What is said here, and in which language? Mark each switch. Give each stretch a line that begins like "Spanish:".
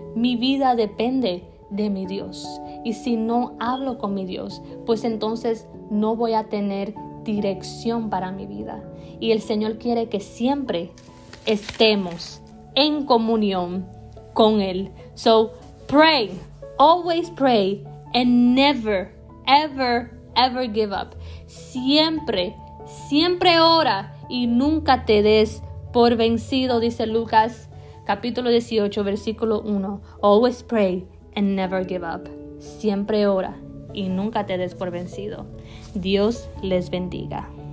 Spanish: Mi vida depende de mi Dios. Y si no hablo con mi Dios, pues entonces no voy a tener dirección para mi vida. Y el Señor quiere que siempre estemos en comunión con Él.
English: So pray, always pray, and never, ever, ever give up.
Spanish: Siempre, siempre ora y nunca te des por vencido, dice Lucas capítulo 18, versículo 1.
English: Always pray and never give up.
Spanish: Siempre ora y nunca te des por vencido. Dios les bendiga.